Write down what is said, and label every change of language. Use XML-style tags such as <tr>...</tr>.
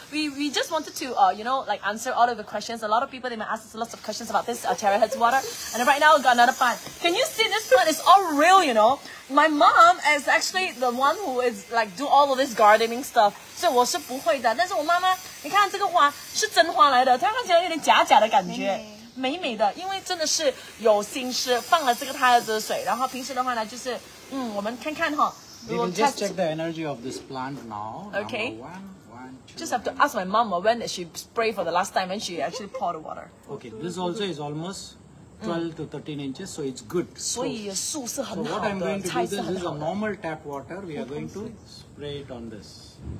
<en>We just wanted to, you know, like answer all of the questions. A lot of people, they might ask us lots of questions about this terahertz water. And right now, we've got another plant. Can you see this plant? It's all real, you know. My mom is actually the one who is like do all of this gardening stuff.</en> <zh>So 我是不会的，但是我妈妈，你看这个花是真花来的，它看起来有点假假的感觉。美美的，因为真的是有心思放了这个太赫兹水，然后平时的话呢，就是我们看看哈。</zh> <en>We will just check the energy of this plant now. Okay. One, two. Just have to ask my mom when did she spray for the last time when she actually poured the water. Okay, this also is almost 12 to 13 inches, so it's good.</en> <zh>So, 所以树是很好的。</zh> <en>So what I'm going to do this is a normal tap water. We are going to spray it on this.</en>